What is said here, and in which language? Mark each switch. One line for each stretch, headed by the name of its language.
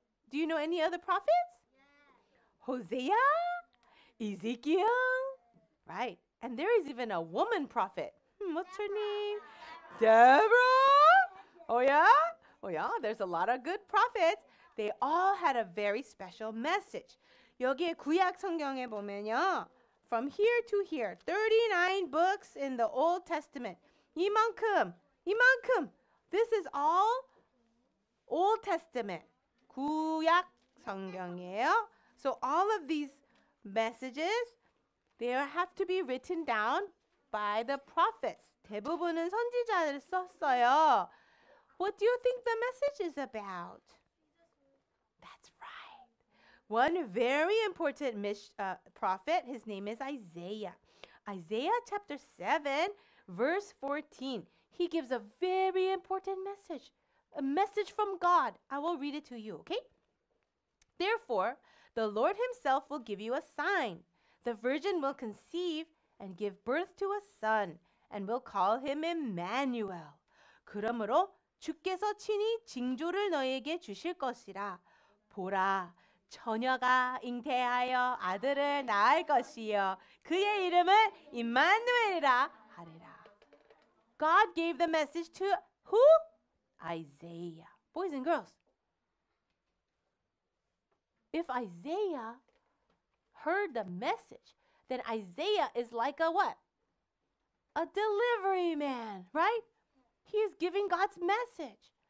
English: Do you know any other prophets? Yeah. Hosea? Ezekiel? Right. And there is even a woman prophet. What's Deborah. Her name? Deborah? Oh, yeah? Oh, yeah. There's a lot of good prophets. They all had a very special message.
Korean: 여기 구약 성경에 보면요.
English: From here to here, 39 books in the Old Testament.
Korean: 이만큼, 이만큼.
English: This is all
Korean: Old Testament, 구약 성경이에요.
English: So all of these messages, they have to be written down by the prophets.
Korean: 대부분은 선지자들 썼어요.
English: What do you think the message is about? That's right. One very important prophet, his name is Isaiah. Isaiah chapter 7, verse 14. He gives a very important message, a message from God. I will read it to you, okay? Therefore, the Lord himself will give you a sign. The virgin will conceive and give birth to a son, and will call him Emmanuel.
Korean: 그러므로 주께서 친히 징조를 너에게 주실 것이라. 보라, 처녀가 잉태하여 아들을 낳을 것이요. 그의 이름은 임마누엘이라 하리라.
English: God gave the message to who? Isaiah. Boys and girls, if Isaiah heard the message, then Isaiah is like a what? A delivery man, right? He is giving God's message.